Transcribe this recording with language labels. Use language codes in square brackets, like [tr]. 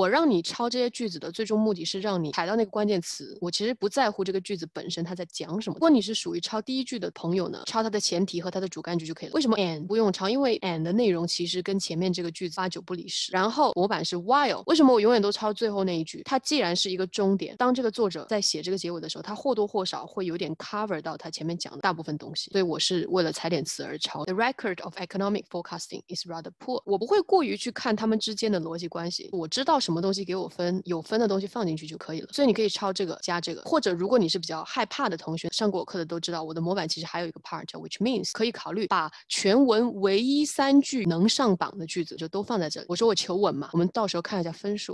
[zh] 我让你抄这些句子的最终目的是让你踩到那个关键词，我其实不在乎这个句子本身它在讲什么。如果你是属于抄第一句的朋友呢，抄它的前提和它的主干句就可以了。为什么 and 不用抄？因为 and 的内容其实跟前面这个句子八九不离十。然后模板是 while， 为什么我永远都抄最后那一句？它既然是一个终点，当这个作者在写这个结尾的时候，他或多或少会有点 cover 到他前面讲的大部分东西。所以我是为了踩点词而抄。 [en] The record of economic forecasting is rather poor。 [zh] 我不会过于去看他们之间的逻辑关系，我知道什么东西给我分，有分的东西放进去就可以了。所以你可以抄这个加这个，或者如果你是比较害怕的同学，上过我课的都知道，我的模板其实还有一个 part 叫 which means，可以考虑把全文唯一三句能上榜的句子就都放在这里。我说我求稳嘛，我们到时候看一下分数。